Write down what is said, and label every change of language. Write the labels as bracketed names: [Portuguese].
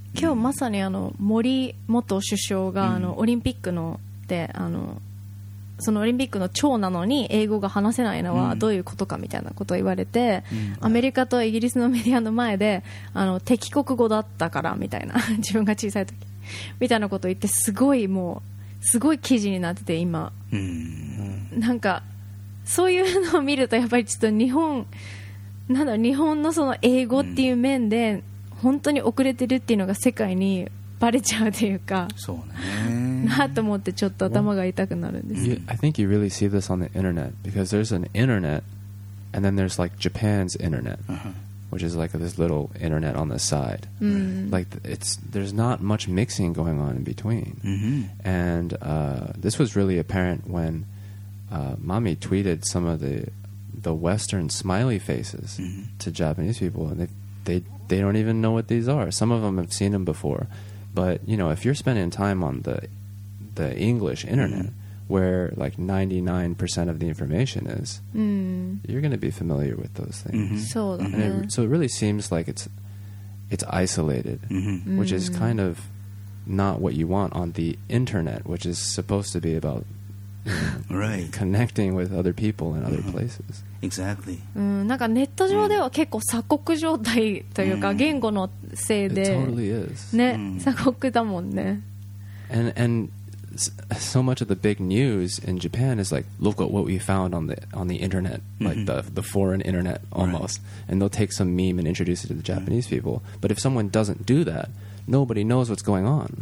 [Japanese] 今日まさにあの森元首相があのオリンピックのであのそのオリンピックの長なのに英語が話せないのはどういうことかみたいなことを言われて、アメリカとイギリスのメディアの前であの敵国語だったからみたいな自分が小さい時みたいなことを言って、すごいもうすごい記事になってて今、なんかそういうのを見るとやっぱりちょっと日本なんだ、日本のその英語っていう面で本当に遅れてるっていうのが世界にバレちゃうというか、そうね、なと思ってちょっと頭が痛くなるんです。 [English] Well, I think you really see this on the internet, because there's an internet and then there's like Japan's internet, which is like this little internet on the side, like it's, there's not much mixing going on in between, and this was really apparent whenMommy tweeted some of the Western smiley faces to Japanese people, and they don't even know what these are. Some of them have seen them before, but you know, if you're spending time on the English internet, where like 99% of the information is, you're going to be familiar with those things. So it really seems like it's isolated, which is kind of not what you want on the internet, which is supposed to be about right. Connecting with other people in other places. Exactly. [Japanese] なんかネット上では結構鎖国状態というか言語のせいで、 [English] It totally is. [Japanese] ね、鎖国だもんね。 [English] And so much of the big news in Japan is like, look at what we found on the internet, like the foreign internet almost. Right. And they'll take some meme and introduce it to the Japanese people. But if someone doesn't do that, nobody knows what's going on.